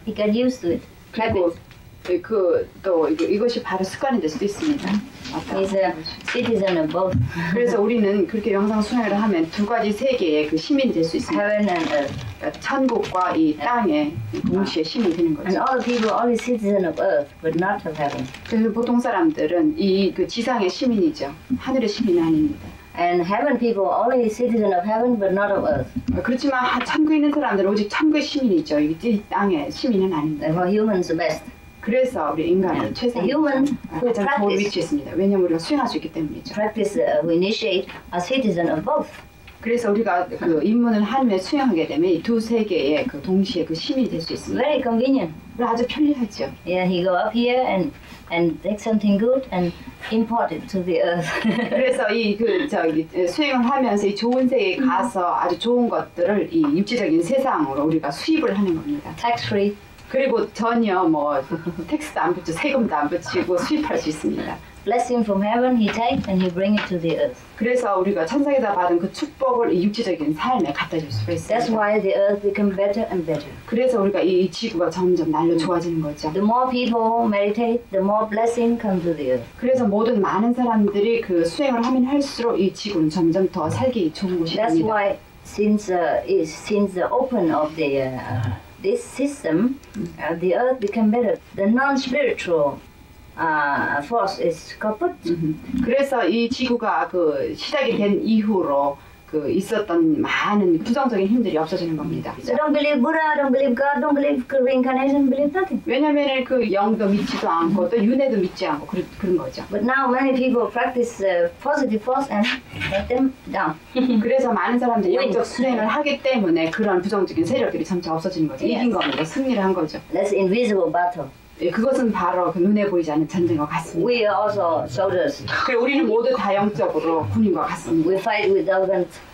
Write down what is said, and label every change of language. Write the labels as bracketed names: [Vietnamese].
[English] He can use it. [Korean] 그리고 그 또 이것이 바로 습관이 될 수도 있습니다. [English] He's a citizen of both. [Korean] 그래서 우리는 그렇게 영상 순회를 하면 두 가지 세계의 그 시민이 될 수 있습니다. [English] Heaven and earth. [Korean] 천국과 이 땅의 동시에 시민이 되는 거죠. [English] And all people only citizen of earth, but not of heaven. [Korean] 그래서 보통 사람들은 이 그 지상의 시민이죠. 하늘의 시민은 아닙니다. [English] And heaven people only citizen of heaven but not of earth. [Korean] 그렇지만 천국에 있는 사람들은 오직 천국의 시민이죠. 이 땅의 시민은 아닙니다. [English] For humans the best. [Korean] 그래서 우리 인간은 최상 [English] human [Korean] 가장 좋은 위치에 있습니다. 왜냐면 우리가 수행할 수 있기 때문이죠. [English] Practice we initiate a citizen of both. [Korean] 그래서 우리가 그 입문을 하며 수행하게 되면 이 두 세계의 그 동시에 그 시민이 될 수 있습니다. [English] Very convenient. [Korean] 아주 편리하죠. [English] Yeah, he go up here and take something good and import it to the earth. [Korean] 그래서 이 그 저기 수행을 하면서 이 좋은 세계에 가서 아주 좋은 것들을 이 입지적인 세상으로 우리가 수입을 하는 겁니다. [English] Tax free. [Korean] 그리고 전혀 뭐 텍스도 안 붙죠. 세금도 안 붙이고 수입할 수 있습니다. [English] Blessing from heaven, he takes and he brings it to the earth. [Korean] 그래서 우리가 천상에서 받은 그 축복을 이 육체적인 삶에 갖다 줄 수 있습니다. [English] That's why the earth becomes better and better. [Korean] 그래서 우리가 이 지구가 점점 날로 좋아지는 거죠. [English] The more people meditate, the more blessing comes to the earth. [Korean] 그래서 모든 많은 사람들이 그 수행을 하면 할수록 이 지구는 점점 더 살기 좋은 곳이 됩니다. [English] That's why since the open of the this system, the earth becomes better. The non-spiritual. Force is kaput. [Korean] 그래서 이 지구가 그 시작이 된 이후로 그 있었던 많은 부정적인 힘들이 없어지는 겁니다. [English] So don't believe Buddha, don't believe God, don't believe reincarnation, believe nothing. [Korean] 왜냐하면 그 영도 믿지도 않고 또 윤회도 믿지 않고 그런 거죠. [English] But now many people practice positive force and let them down. [Korean] 그래서 많은 사람들이 영적 수행을 하기 때문에 그런 부정적인 세력들이 점점 없어지는 거죠. [English] Yes. [Korean] 이긴 겁니다. 승리를 한 거죠. [English] That's invisible battle. [Korean] 예, 그것은 바로 그 눈에 보이지 않는 전쟁과 같습니다. [English] We are also soldiers. [Korean] 그래, 우리는 모두 다 영적으로 군인과 같습니다. [English] We fight with arrogance.